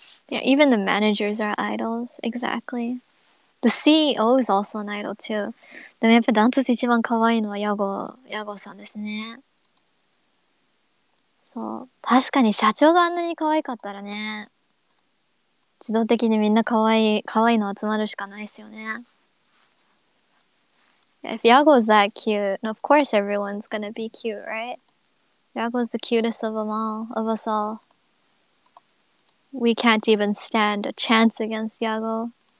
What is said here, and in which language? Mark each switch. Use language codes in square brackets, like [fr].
[en] Yeah, even the managers are idols. Exactly. The CEO is also an idol too. [ja] でもやっぱダントツ一番可愛いのはヤゴさんですね。そう、確かに社長があんなに可愛かったらね、自動的にみんな可愛いの集まるしかないですよね。 [en] If Yago is that cute, of course everyone's gonna be cute, right? Yago is the cutest of them all, of us all. We can't even stand a chance against Yago.